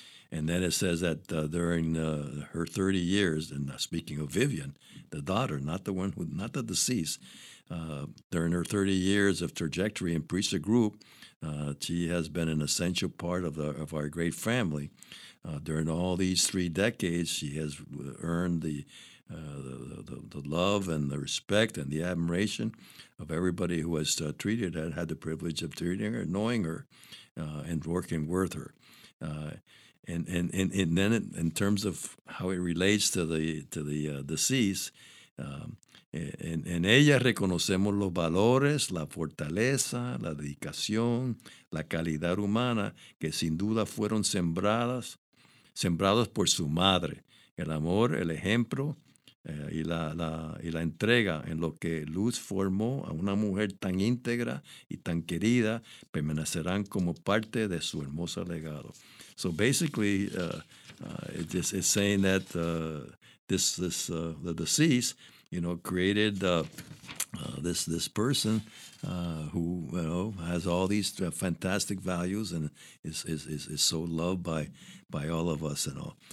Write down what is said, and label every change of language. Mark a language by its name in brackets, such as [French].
[English] And then it says that during her 30 years, and speaking of Vivian, the daughter, not the deceased, during her 30 years of trajectory in Prisa Group, she has been an essential part of our great family. During all these three decades, she has earned the love and the respect and the admiration of everybody who has treated her, had the privilege of treating her, knowing her, and working with her. And then in terms of how it relates to the deceased, [Spanish] en ella reconocemos los valores, la fortaleza, la dedicación, la calidad humana que sin duda fueron sembrados por su madre, el amor, el ejemplo, y la entrega en lo que Luz formó a una mujer tan íntegra y tan querida permanecerán como parte de su hermoso legado. [English] So basically, it's saying that the deceased you know, created this person who, you know, has all these fantastic values and is so loved by all of us and all.